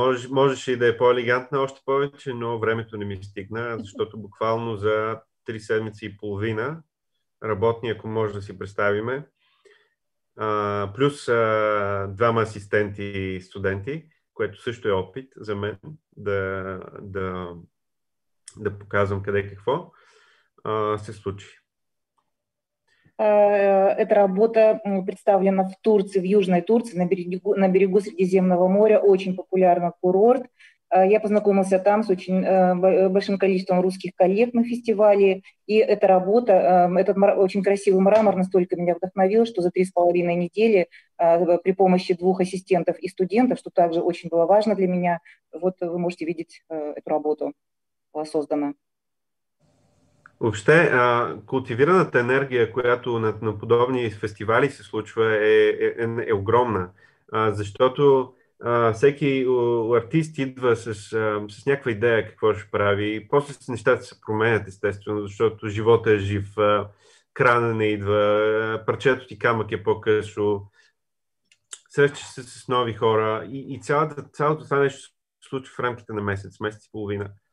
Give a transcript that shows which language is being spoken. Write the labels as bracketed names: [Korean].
[Bulgarian] Можеше и да е по-елегантна още повече, но времето не ми стигна, защото буквално за 3 седмици и половина работни, ако може да си представиме, плюс двама асистенти и студенти, което също е опит за мен да показвам къде и какво се случи. [Russian] Эта работа представлена в Турции, в Южной Турции, на берегу Средиземного моря, очень популярный курорт. Я познакомился там с очень большим количеством русских коллег на фестивале, и эта работа, этот очень красивый мрамор настолько меня вдохновил, что за 3,5 недели при помощи двух ассистентов и студентов, что также очень было важно для меня, вот вы можете видеть эту работу, была создана. [Bulgarian] Въобще, култивираната енергия, която на подобни фестивали се случва, е огромна, защото всеки артист идва с някаква идея какво ще прави, и после нещата се променят, естествено, защото живота е жив, крана не идва, парчето ти камък е по-късо, срещаш се с нови хора и цялото това нещо се случва в рамките на месец и половина.